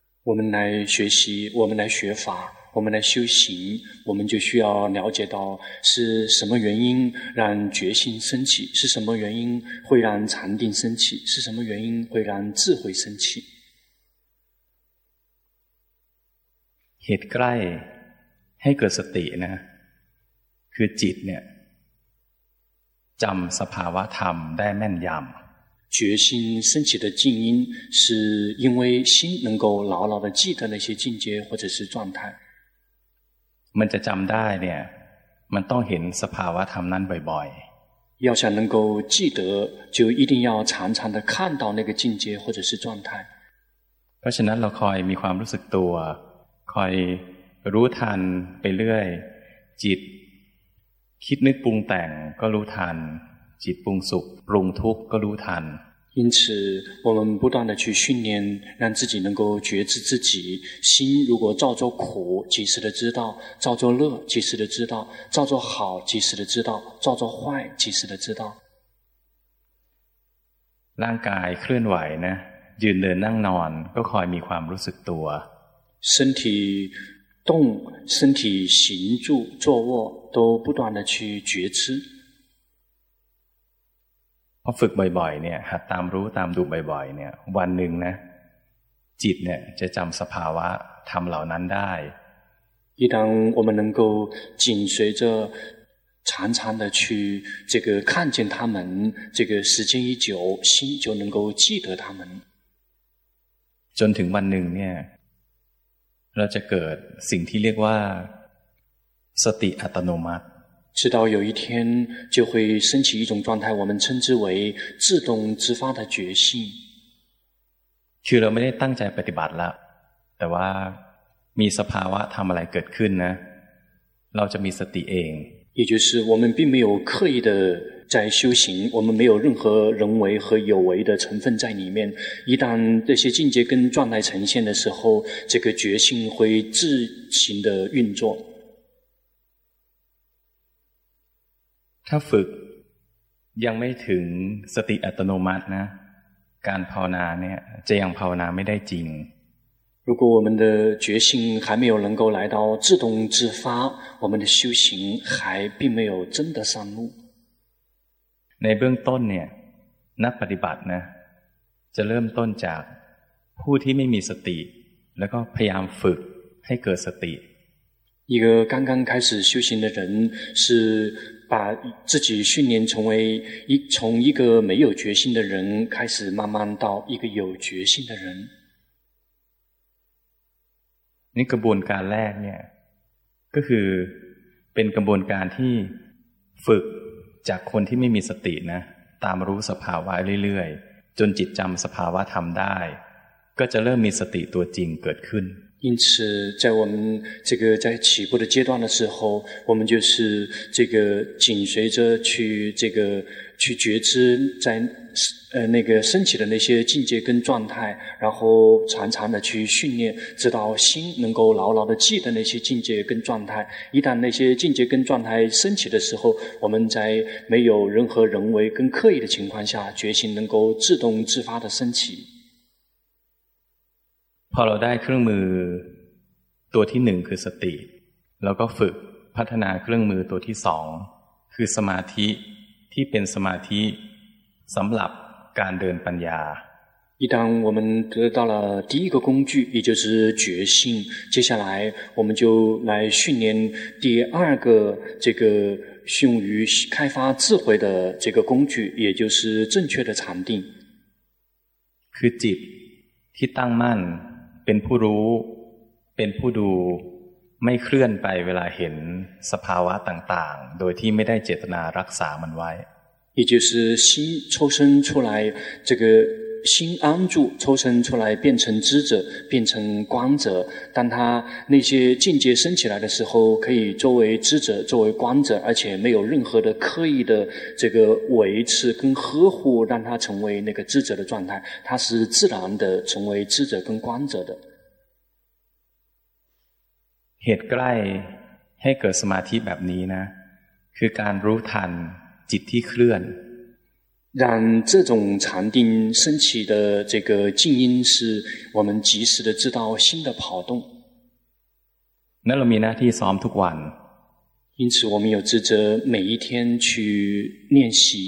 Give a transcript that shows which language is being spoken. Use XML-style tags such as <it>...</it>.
<zh>我们来学习我们来学法我们来修行我们就需要了解到是什么原因让觉性升起是什么原因会让禅定升起是什么原因会让智慧升起</zh> <th>เหตุใกล้ให้เกิดสตินะคือจิตเนี่ยจำสภาวะธรรมได้แม่นยำ</th> <zh>决心升起的静音是因为心能够牢牢的记得那些境界或者是状态</zh> <th>มันจะจำได้เนี่ยมันต้องเห็นสภาวะธรรมนั้นบ่อย</th> <zh>ๆ要想能够记得就一定要常常的看到那个境界或者是状态</zh> <th>เพราะฉะนั้นเราคอยมีความรู้สึกตัวคอยรู้ทันไปเรื่อยจิตคิดนึกปรุงแต่งก็รู้ทันจิตปรุงสุขปรุงทุกข์ก็รู้ทัน</th> <zh>因此我们不断的去训练让自己能够觉知自己心如果造作苦及时的知道造作乐及时的知道造作好及时的知道造作坏及时的知道</zh> <th>ร่างกายเคลื่อนไหวนะยืนเดินนั่งนอนก็คอยมีความรู้สึกตัว</th> <zh>身体动身体行住坐卧都不断的去觉知</zh> <th>พอฝึกบ่อยๆเนี่ยหัดตามรู้ตามดูบ่อยๆเนี่ยวันหนึ่งนะจิตเนี่ยจะจำสภาวะธรรมเหล่านั้นได้</th> <zh>一旦我们能够紧随着常常的去这个看见他们这个时间一久心就能够记得他们</zh> <th>จนถึงวันหนึ่งเนี่ยเราจะเกิดสิ่งที่เรียกว่าสติอัตโนมัติ</th> <zh>直到有一天就会升起一种状态我们称之为自动自发的觉性</zh> <th>คือเราไม่ได้ตั้งใจปฏิบัติแล้วแต่ว่ามีสภาวะทำอะไรเกิดขึ้นนะเราจะมีสติเอง</th> <zh>也就是我们并没有刻意的在修行我们没有任何人为和有为的成分在里面一旦这些境界跟状态呈现的时候这个觉性会自行的运作</zh> <th>ถ้าฝึกยังไม่ถึงสติอัตโนมัตินะการภาวนาเนี่ยจะยังภาวนาไม่ได้จริง</th> <zh>如果我们的觉性还没有能够来到自动自发，我们的修行还并没有真的上路。</zh> <th>ในเบื้องต้นเนี่ยนักปฏิบัตินะจะเริ่มต้นจากผู้ที่ไม่มีสติแล้วก็พยายามฝึกให้เกิดสติ</th> <zh>一个刚刚开始修行的人是把自己训练成为一从一个没有决心的人开始慢慢到一个有决心的人</zh> <th>นี่กระบวนการแรกเนี่ยก็คือเป็นกระบวนการที่ฝึกจากคนที่ไม่มีสตินะตามรู้สภาวะเรื่อยๆจนจิตจำสภาวะธรรมได้ก็จะเริ่มมีสติตัวจริงเกิดขึ้น</th> <zh>因此在我们这个在起步的阶段的时候我们就是这个紧随着去这个去觉知在那个升起的那些境界跟状态然后常常的去训练直到心能够牢牢的记得那些境界跟状态一旦那些境界跟状态升起的时候我们在没有任何人为跟刻意的情况下觉醒能够自动自发的升起</zh> <th>พอเราได้เครื่องมือตัวที่หนึ่งคือสติแล้วก็ฝึกพัฒนาเครื่องมือตัวที่สองคือสมาธิที่เป็นสมาธิสำหรับการเดินปัญญา</th> <zh>一旦我们得到了第一个工具也就是觉性接下来我们就来训练第二个这个用于开发智慧的这个工具也就是正确的禅定</zh> <th>คือจิตที่ตั้งมั่นเป็นผู้รู้เป็นผู้ดูไม่เคลื่อนไปเวลาเห็นสภาวะต่างๆโดยที่ไม่ได้เจตนารักษามันไว้</th> <zh>也就是心抽身出来这个心安住抽身出来变成知者变成观者当他那些境界升起来的时候可以作为知者作为观者而且没有任何的刻意的这个维持跟呵护让他成为那个知者的状态他是自然的成为知者跟观者的</zh> <th>เหตุใกล้ให้เกิดสมาธิแบบนี้นะคือการรู้ทันจิตที่เคลื่อน</th> <zh>让这种禅定升起的这个静音是我们及时的知道心的跑动</zh> <th>นั่นเรามีหน้าที่ซ้อมทุกวัน</th> <zh>因此我们有职责每一天去练习</zh>